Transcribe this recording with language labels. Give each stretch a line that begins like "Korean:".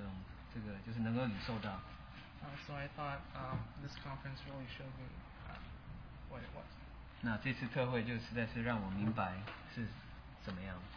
Chinese: 那没有真正的一种，就是感觉到，就是有一种不是真正的一种这个，就是能够领受到。
English: So I thought this conference really showed me what it was.
Chinese: 那这次特会就实在是让我明白是怎么样。